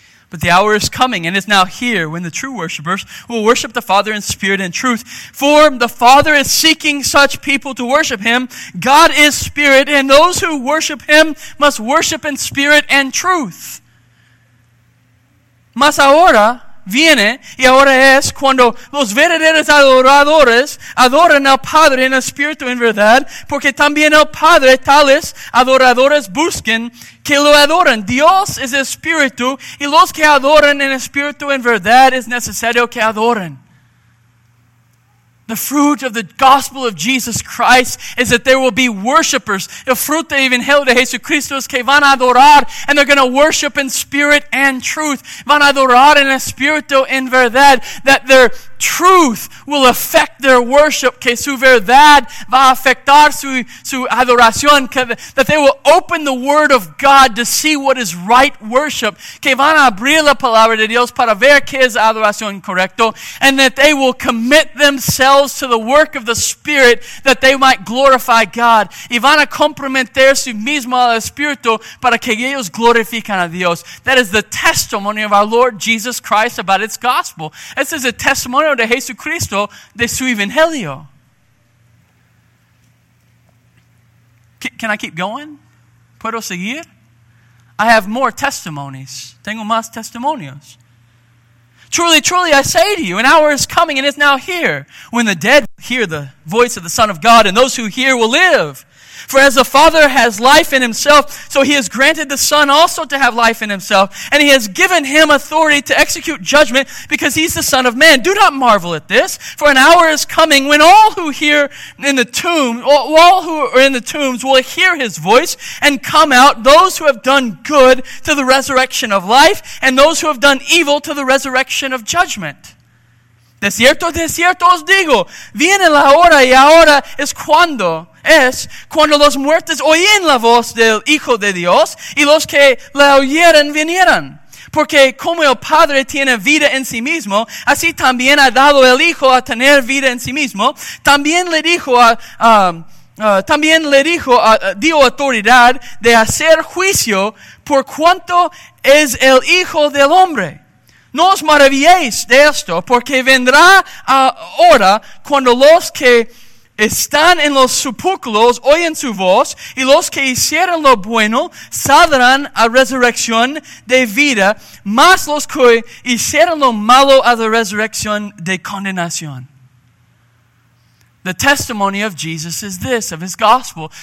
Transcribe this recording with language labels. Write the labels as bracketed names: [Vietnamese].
[English] But the hour is coming and is now here when the true worshipers will worship the Father in spirit and truth. For the Father is seeking such people to worship Him. God is spirit, and those who worship Him must worship in spirit and truth. [Spanish] Mas ahora viene y ahora es cuando los verdaderos adoradores adoran al Padre en espíritu en verdad, porque también el Padre tales adoradores busquen que lo adoren. Dios es espíritu y los que adoran en espíritu en verdad es necesario que adoren. [English] The fruit of the gospel of Jesus Christ is that there will be worshipers. [Spanish] El fruto del Evangelio de Jesucristo es que van a adorar, [English] and they're going to worship in spirit and truth. [Spanish] Van a adorar en espíritu en verdad. [English] That their truth will affect their worship. [Spanish] Que su verdad va a afectar su adoración. [English] That they will open the word of God to see what is right worship. [Spanish] Que van a abrir la palabra de Dios para ver que es adoración correcto. [English] And that they will commit themselves to the work of the Spirit that they might glorify God. [Spanish] Y van a comprometer su mismo al Espíritu para que ellos glorifican a Dios. [English] That is the testimony of our Lord Jesus Christ about its gospel. [Spanish] Este es el testimonio de Jesucristo de su Evangelio. [English] Can I keep going? [Spanish] ¿Puedo seguir? [English] I have more testimonies. [Spanish] Tengo más testimonios. [English] Truly, truly, I say to you, an hour is coming and is now here, when the dead hear the voice of the Son of God, and those who hear will live. For as the Father has life in Himself, so He has granted the Son also to have life in Himself, and He has given Him authority to execute judgment, because He's the Son of Man. Do not marvel at this, for an hour is coming when all who hear in the tomb, all who are in the tombs will hear His voice and come out, those who have done good to the resurrection of life, and those who have done evil to the resurrection of judgment. [Spanish] De cierto os digo, viene la hora y ahora es cuando. Es cuando los muertos oyen la voz del Hijo de Dios y los que la oyeran vinieran. Porque como el Padre tiene vida en sí mismo, así también ha dado el Hijo a tener vida en sí mismo. También le dio autoridad de hacer juicio por cuanto es el Hijo del Hombre. No os maravilléis de esto, porque vendrá ahora cuando los que están en los sepulcros, oyen su voz, y los que hicieron lo bueno saldrán a resurrección de vida, más los que hicieron lo malo a la resurrección de condenación. [English] The testimony of Jesus is this, of His gospel.